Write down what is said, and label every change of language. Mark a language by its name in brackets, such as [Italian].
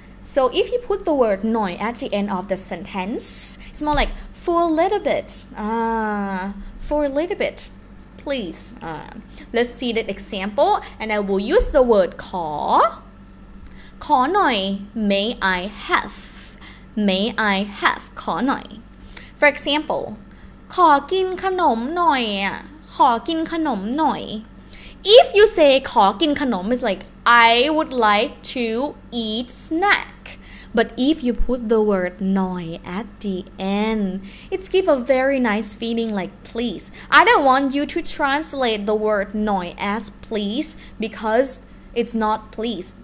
[English] So if you put the word noi at the end of the sentence, it's more like for a little bit. For a little bit, please. Let's see that example, and I will use the word ขอ noi, may I have. May I have ขอ noi. For example, [Thai] ขอกินขนมหน่อย. [English] If you say [Thai] ขอกินขนม, [English] it's like I would like to eat snack. But if you put the word noi at the end, it gives a very nice feeling like please. I don't want you to translate the word noi as please, because it's not please.